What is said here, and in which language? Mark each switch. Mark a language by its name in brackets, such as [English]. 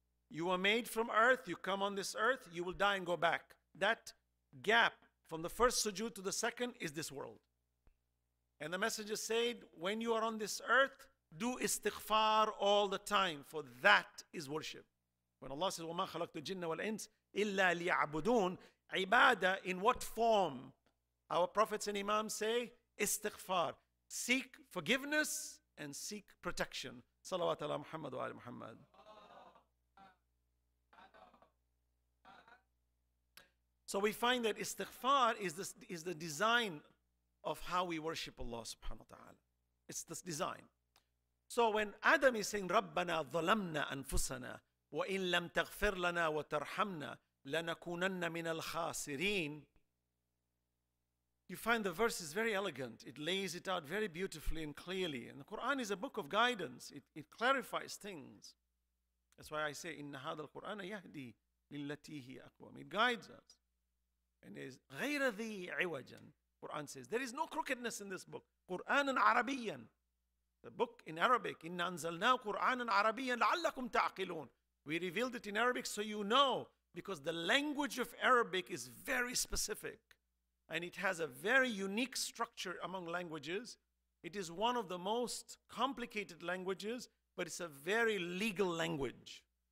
[English] You are made from earth, you come on this earth, you will die and go back. That gap from the first sujood to the second is this world. And the Messenger said, when you are on this earth, do istighfar all the time, for that is worship. When Allah says, [Arabic] وَمَا خَلَقْتُ الْجِنَّ وَالْإِنْسِ إِلَّا لِيَعْبُدُونَ عِبَادَ, [English] in what form? Our prophets and imams say, istighfar. Seek forgiveness and seek protection. [Arabic] Salawat ala Muhammad wa ala Muhammad. [English] So we find that istighfar is the design of how we worship Allah subhanahu wa ta'ala. It's this design. So when Adam is saying, [Arabic] رَبَّنَا ظَلَمْنَا أَنفُسَنَا وَإِن لَمْ تَغْفِرْ لَنَا وَتَرْحَمْنَا لَنَكُونَنَّ مِنَ الْخَاسِرِينَ, [English] you find the verse is very elegant. It lays it out very beautifully and clearly. And the Quran is a book of guidance. It clarifies things. That's why I say, [Arabic] إِنَّ هَذَا الْقُرْآنَ يَهْدِي لِلَّتِي هِيَ أَقْوَمُ. [English] It guides us. And is [Arabic] غَيْرَ ذِي عِوَجًا. [English] Quran says, there is no crookedness in this book. Quran and Arabian. The book in Arabic, [Arabic] إِنَّ أَنزَلْنَاهُ قُرْآنًا عَرَبِيًّا لَعَلَّكُمْ تَعْقِلُونَ. [English] We revealed it in Arabic so you know, because the language of Arabic is very specific and it has a very unique structure among languages. It is one of the most complicated languages, but it's a very legal language.